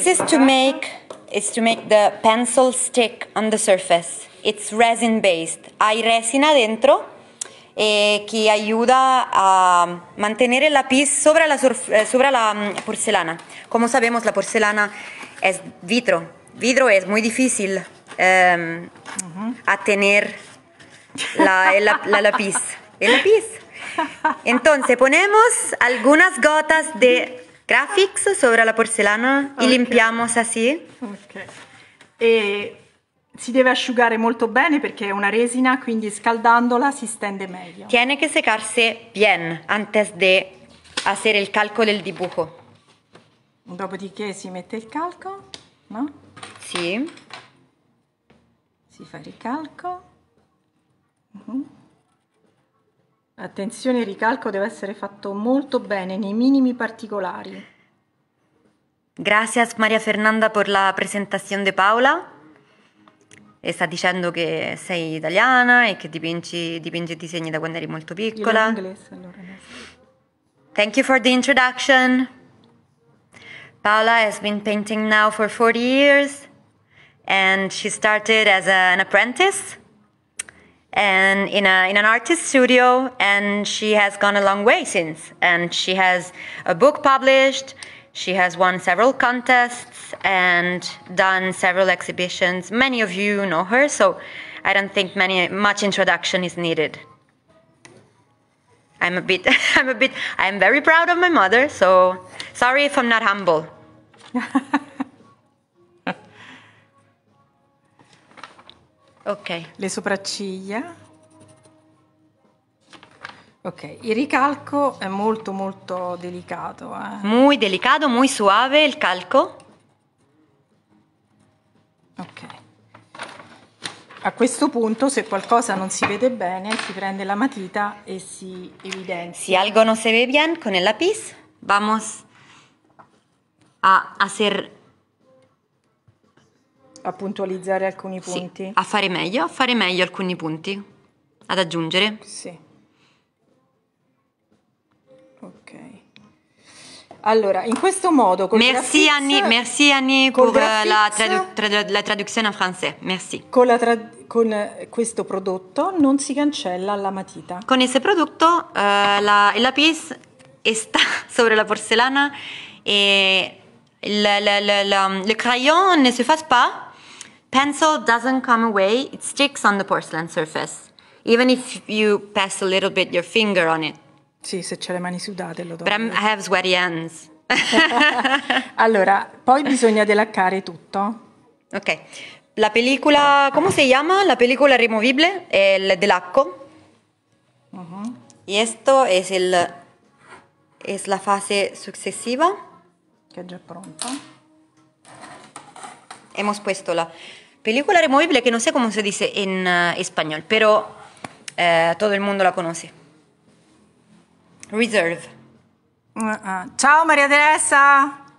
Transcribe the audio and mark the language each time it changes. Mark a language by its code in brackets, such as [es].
[en] This is to make is to make the pencil stick on the surface. It's resin based. [it] Hai resina dentro e che aiuta a mantenere la pis sopra la porcelana. Come sappiamo, la porcelana è vitro. Vitro è molto difficile a tenere la lapis. [es] El lapis. Entonces ponemos algunas gotas de Grafix sobre la porcelana y limpiamos así. [it] Okay. E si deve asciugare molto bene perché è una resina, quindi scaldandola si stende meglio. [es] Tiene que secarse bien antes de hacer el calco del dibujo. [it] Dopodiché si mette il calco, no? [es] Sí. [it] Si fa il calco. Attenzione, il ricalco deve essere fatto molto bene, nei minimi particolari. [es] Gracias Maria Fernanda por la presentación de Paola. [it] E sta dicendo che sei italiana e che dipingi disegni da quando eri molto piccola. Io in inglese allora. [en] Thank you for the introduction. Paola has been painting now for 40 years and she started as an apprentice. And in an artist studio, and she has gone a long way since. And she has a book published, she has won several contests and done several exhibitions. Many of you know her, so I don't think much introduction is needed. I'm very proud of my mother, so sorry if I'm not humble. Ok. [it] Le sopracciglia. Ok, il ricalco è molto molto delicato. [es] Muy delicato, muy suave il calco. Ok. [it] A questo punto, se qualcosa non si vede bene, si prende la matita e si evidenzia. [es] Si algo no se ve bien con el lápiz, vamos a hacer... [it] A puntualizzare alcuni punti. Sì, a fare meglio alcuni punti. Ad aggiungere. Sì. Ok. Allora, in questo modo... Merci Annie, per la traduzione in francese. Merci. Con questo prodotto non si cancella la matita. Con questo prodotto il lapis sta sopra la porcellana e il crayon ne si fa pas. [en] Pencil doesn't come away, it sticks on the porcelain surface, even if you pass a little bit your finger on it. [it] Sì, se c'è le mani sudate lo do. [en] But I have sweaty hands. [it] Allora, poi bisogna delaccare tutto. Ok, la pellicola, come si chiama? La pellicola removibile è il delacco. Uh-huh. E questo è la fase successiva. Che è già pronta. [es] Hemos puesto la película removible, que no sé cómo se dice en español, pero todo el mundo la conoce. [en] Reserve. [it] Ciao, María Teresa.